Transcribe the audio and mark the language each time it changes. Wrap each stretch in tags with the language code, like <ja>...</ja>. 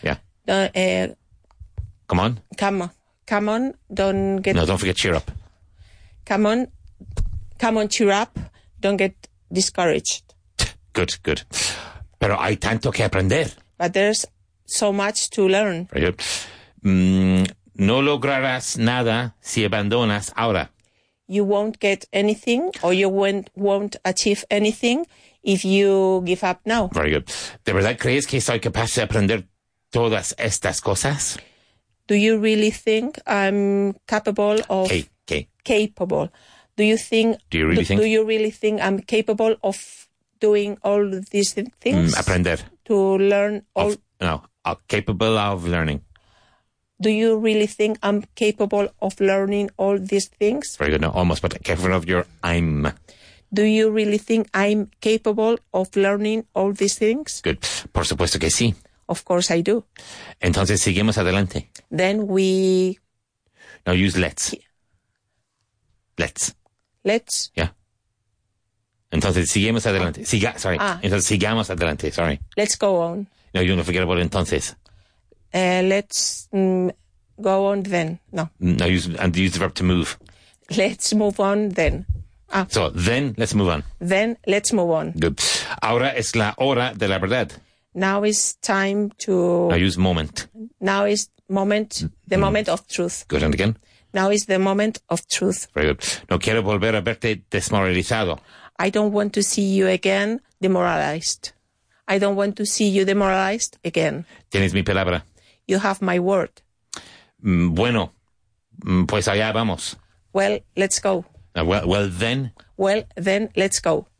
<en>Yeah. Come on. Come on, don't get... No, don't forget cheer up. Come on, cheer up. Don't get discouraged. Good.</en> <es>Pero hay tanto que aprender.</es> <en>But there's so much to learn. Very good.</en> <es>No lograrás nada si abandonas ahora.</es> <en>You won't get anything or you won't achieve anything if you give up now. Very good.</en> <es>¿De verdad crees que soy capaz de aprender todas estas cosas?</es> <en>Do you really think I'm capable of... Capable. Do you really think I'm capable of doing all these things?</en> <es>Aprender.</es> <en>To learn all... Capable of learning. Do you really think I'm capable of learning all these things? Very good. No, almost, but careful of your I'm. Do you really think I'm capable of learning all these things? Good.</en> <es>Por supuesto que sí.</es> <en>Of course I do.</en> <es>Entonces, seguimos adelante.</es> <en>Then we... Now use let's. Let's. Yeah.</en> <es>Entonces, seguimos adelante. Entonces, sigamos adelante. Sorry.</es> <en>Let's go on. No, you don't forget about entonces. Let's go on then. No. Use the verb to move. Let's move on then. So then let's move on. Then let's move on. Good.</en> <es>Ahora es la hora de la verdad.</es> <en>Now is time to... I use moment. Now is moment, the moment of truth. Good, and again? Now is the moment of truth. Very good.</en> <es>No quiero volver a verte desmoralizado.</es> <en>I don't want to see you again demoralized. I don't want to see you demoralized again.</en> <es>Tienes mi palabra.</es> <en>You have my word.</en> <es>Bueno, pues allá vamos.</es> <en>Well, let's go. Well, then. Well, then, let's go.</en>